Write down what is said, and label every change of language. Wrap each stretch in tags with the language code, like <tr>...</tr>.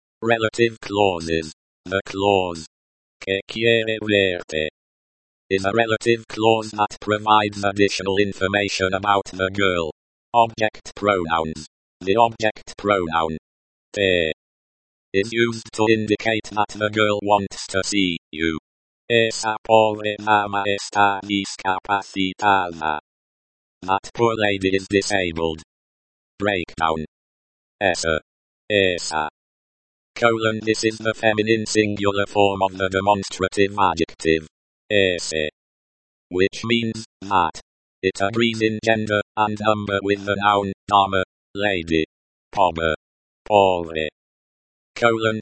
<en>Relative clauses. The clause que quiere verte is a relative clause that provides additional information about the girl. Object pronouns. The object pronoun te is used to indicate that the girl wants to see you.</en> <es>Esa pobre dama está discapacitada.</es> <en>That poor lady is disabled. Breakdown. Esa. Esa. Colon. This is the feminine singular form of the demonstrative adjective. Ese. Which means that. It agrees in gender and number with the noun dama, lady. Pobre. Pobre. Colon.</en>